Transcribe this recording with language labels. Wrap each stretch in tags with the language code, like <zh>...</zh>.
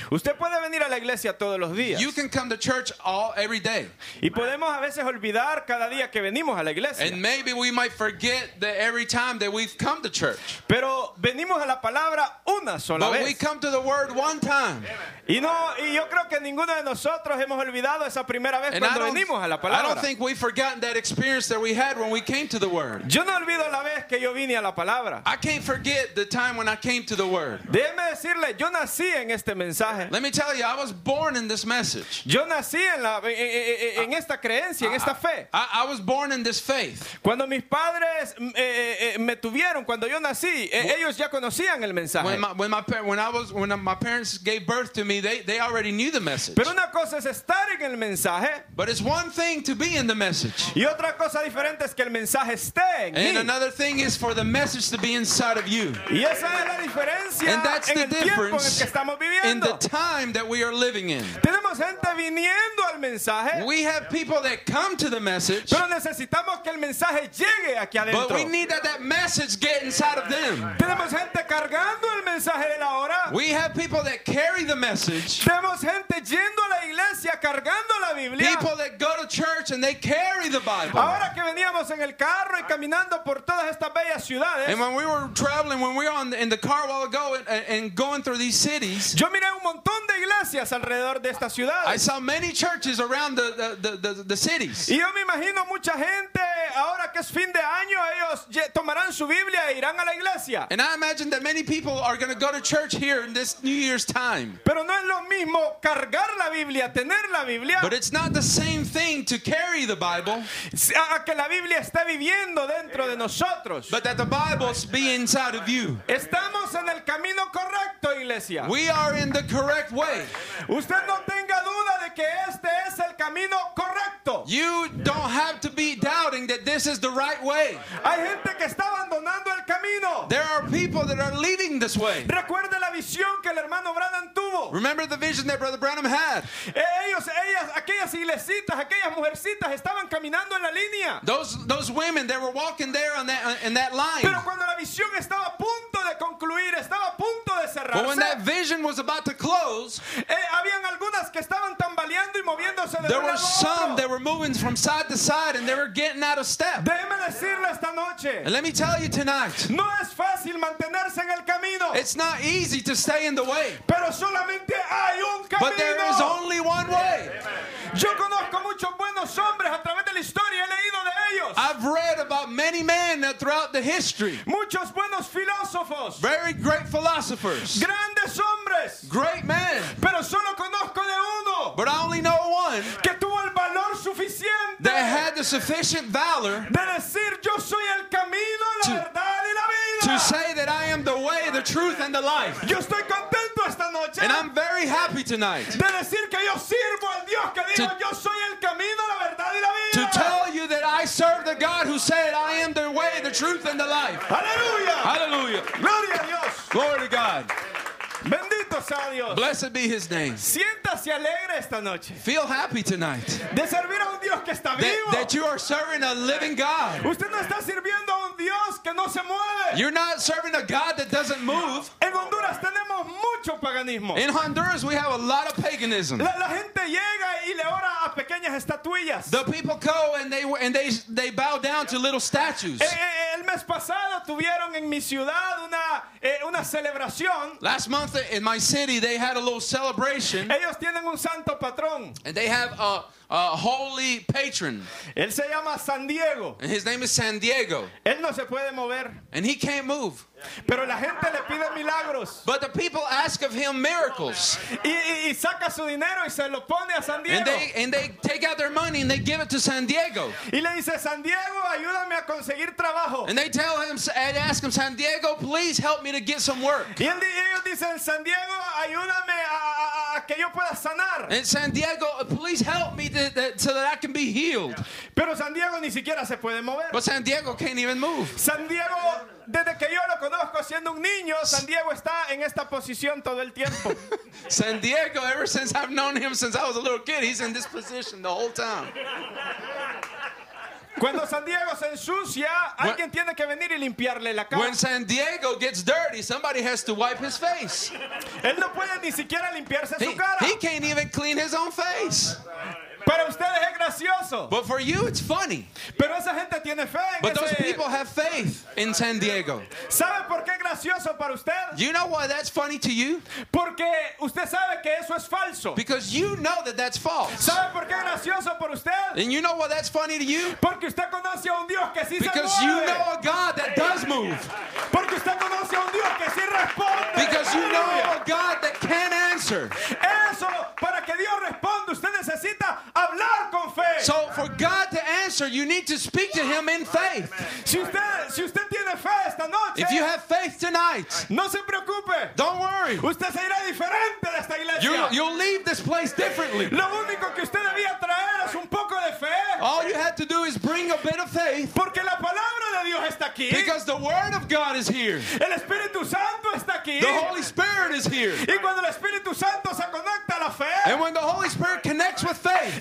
<es>Usted puede venir a la iglesia todos los días.</es> <en>You can come to church every day.</en> <es>Y podemos a veces olvidar cada día que venimos a la iglesia.</es> <en>And maybe we might forget that every time that we've come to church.</en> <es>Pero venimos a la palabra una sola</es> <en>But</en> <es>vez.</es> <en>But we come to the Word one time.</en> <es>Y yo creo que ninguno de nosotros hemos olvidado esa primera vez</es> <en>and</en> <es>cuando venimos a la palabra.</es> <en>I don't think we've forgotten that experience that we had when we came to the Word.</en> <es>Yo no olvido la vez que yo vine a la palabra.</es> <en>I can't forget the time when I came to the Word.</en> <es>Déjeme decirle, yo nací en este mensaje.</es> <en>Let me tell you, I was born in this message.</en> <es>Yo nací en esta creencia, en esta fe.</es> <en>I was born in this faith.</en> <es>Cuando mis padres me tuvieron, cuando yo nací, ellos ya conocían el mensaje.</es> <en>When my parents gave birth to me, they already knew the message.</en> <es>Pero una cosa es estar en el mensaje.</es> <en>But it's one thing to be in the message.</en> <es>Y otra cosa diferente es que el mensaje esté en mí.</es> <en>And another thing is for the message to be inside of you.</en> <es>Y esa es la diferencia</es> <en>and that's</en> <es>en</es> <en>the</en> <es>el</es> <en>difference</en> <es>tiempo en el que estamos viviendo.</es> <en>In the time that we are living in.</en> <es>Tenemos gente viniendo al mensaje.</es> <en>We have people that come to the message.</en> <es>Pero necesitamos que el mensaje llegue aquí adentro.</es> <en>But we need that message get inside of them.</en> <es>Tenemos gente cargando el mensaje de la hora.</es> <en>We have people that carry the message.</en> <es>Tenemos gente yendo a la iglesia cargando la Biblia.</es> <en>People that go to church and they carry the Bible.</en> <es>Ahora que veníamos en el carro y caminando por todas estas bellas ciudades.</es> <en>And when we were traveling, when we were in the car while ago and going through these cities.</en> <es>Yo miré un montón de iglesias alrededor de estas ciudades.</es> <en>I saw many churches around the cities.</en> <es>Y yo me imagino mucha gente ahora que es fin de año, ellos tomarán su Biblia e irán a la iglesia.</es> <en>And I imagine that many people are going to go to church here in this New Year's time.</en> <es>Pero no es lo mismo cargar la Biblia, tener la Biblia.</es> <en>But it's not the same thing to carry the Bible.</en> <es>A que la Biblia esté viviendo dentro de nosotros.</es> <en>But that the Bible's be inside of you.</en> <es>Estamos en el camino correcto, iglesia.</es> <en>We are in the correct way.</en> <es>Usted no tenga duda de que este es el camino correcto.</es> <en>You don't have to be doubting that this is the right way.</en> <es>Hay gente que está abandonando el camino.</es> <en>There are people that are leaving this way.</en> <es>Recuerde la visión que el hermano Branham tuvo.</es> <en>Remember the vision that Brother Branham had.</en> <es>Aquellas iglesitas, aquellas mujercitas estaban caminando en la línea.</es> <en>Those women, they were walking there in that line.</en> <es>Pero cuando la visión estaba a punto de concluir, estaba a punto de cerrarse.</es> <en>But when that vision was about to close,</en> <es>habían algunas que estaban tambaleando y moviéndose de un lado.</es> <en>There were some that were moving from side to side and they were getting out of step.</en> <es>Déjeme decirle esta noche.</es> <en>And let me tell you tonight.</en> <es>No es fácil mantenerse en el camino.</es> <en>It's not easy to stay in the way.</en> <es>Pero solamente hay un camino.</es> <en>But there is only one way.</en> <es>Yo conozco muchos buenos hombres a través de la historia, he leído de ellos.</es> <en>I've read about many men that throughout the history.</en> <es>Muchos buenos filósofos.</es> <en>Very great philosophers.</en> <es>Grandes hombres.</es> <en>Great men.</en> <es>Pero solo conozco de uno.</es> <en>But I only know one.</en> <es>Que tuvo el valor suficiente.</es> <en>That had the sufficient valor.</en> <es>De decir yo soy el camino, la verdad y la vida.</es> <en>To say that I am the way, the truth, and the life.</en> <es>Yo estoy contento esta noche.</es> <en>And I'm very happy tonight.</en> <es>De decir que yo sirvo al Dios que dijo yo soy el camino, la verdad y la vida.</es> <en>To tell you that I serve the God who said I am the way, the truth, and the life. Hallelujah. Hallelujah.</en> <es>Gloria a Dios.</es> <en>Glory to God.</en> <es>Bendito sea Dios.</es> <en>Blessed be His name.</en> <es>Siéntase alegre esta noche.</es> <en>Feel happy tonight.</en> <es>De servir a un Dios que está vivo.</es> <en>That you are serving a living God.</en> <es>Usted no está sirviendo a un Dios que no se mueve.</es> <en>You're not serving a God that doesn't move.</en> <es>En Honduras tenemos mucho paganismo.</es> <en>In Honduras we have a lot of paganism.</en> <es>La gente llega y le ora a pequeñas estatuillas.</es> <en>The people go and they bow down to little statues.</en> <es>El mes pasado tuvieron en mi ciudad una celebración.</es> <en>Last month in my city they had a little celebration.</en> <es>Ellos tienen un santo patrón.</es> <en>And they have a holy patron.</en> <es>Él se llama San Diego.</es> <en>And his name is San Diego.</en> <es>Él no se puede mover.</es> <en>And he can't move.</en> <es>Pero la gente le pide milagros.</es> <en>But the people ask of him miracles.</en> <es>Y saca su dinero y se lo pone a San Diego.</es> <en>And they take out their money and they give it to San Diego.</en> <es>Y le dice, San Diego, ayúdame a conseguir trabajo.</es> <en>And they tell him and ask him, San Diego, please help me to get some work.</en> <es>Y ellos dicen, San Diego, ayúdame a que yo pueda sanar.</es> <en>And San Diego, please help me so that I can be healed.</en> <es>Pero San Diego ni siquiera se puede mover.</es> <en>But San Diego can't even move.</en> <es>San Diego, desde que yo lo conozco siendo un niño, San Diego está en esta posición todo el tiempo.</es> <en>San Diego, ever since I've known him since I was a little kid, he's in this position the whole time.</en> <es>Cuando San Diego se ensucia, alguien tiene que venir y limpiarle la cara.</es> <en>When San Diego gets dirty, somebody has to wipe his face.</en> <es>Él no puede ni siquiera limpiarse su cara.</es> <en>He can't even clean his own face.</en> <es>Para ustedes es gracioso.</es> <en>But for you it's funny.</en> <es>Pero esa gente tiene fe en</es> <en>But those people have faith in San Diego.</en> <es>¿Sabe por qué es gracioso para usted?</es> <en>You know why that's funny to you?</en> <es>Porque usted sabe que eso es falso.</es> <en>Because you know that that's false.</en> <es>¿Sabe por qué es gracioso para usted?</es> <en>And you know why that's funny to you?</en> <es>Porque usted conoce a un Dios que sí se mueve.</es> <en>Because you know a God that does move.</en> <es>Porque usted conoce a un Dios que sí responde.</es> <en>Because you know a God that can answer.</en> <es>Eso, para que Dios responda, usted necesita hablar con fe.</es> <en>So for God to answer, you need to speak to Him in faith.</en> <es>Si usted tiene fe esta noche,</es> <en>if you have faith tonight,</en> <es>no se preocupe.</es> <en>Don't worry.</en> <es>Usted se irá diferente de esta iglesia.</es> <en>You'll leave this place differently.</en> <es>Lo único que usted debía traer es un poco de fe.</es> <en>All you had to do is bring a bit of faith.</en> <es>Porque la palabra de Dios está aquí.</es> <en>Because the Word of God is here.</en> <es>El Espíritu Santo está aquí.</es> <en>The Holy Spirit is here.</en> <es>Y cuando el Espíritu Santo se conecta a la fe,</es> <en>and when the Holy Spirit connects with faith.</en>